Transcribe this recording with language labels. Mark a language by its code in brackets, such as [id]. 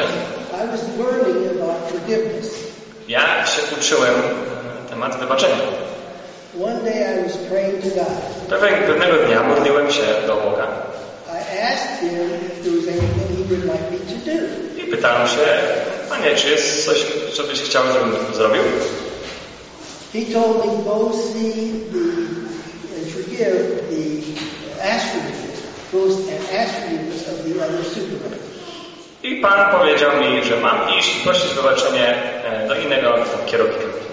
[en] I was learning about forgiveness. [pl] Ja się uczyłem temat wybaczenia. [en] One day I was praying to God. [pl] Pewnego dnia modliłem się do Boga. [en] I asked him if there was anything he would like me to do. [pl] I pytałem się, Panie, czy jest coś, co byś chciał, żebym zrobił? [en] He told me both see and forgive the attributes, both and attributes of the other supervisor. [pl] I Pan powiedział mi, że mam iść i prosić o wybaczenie do innego kierownika.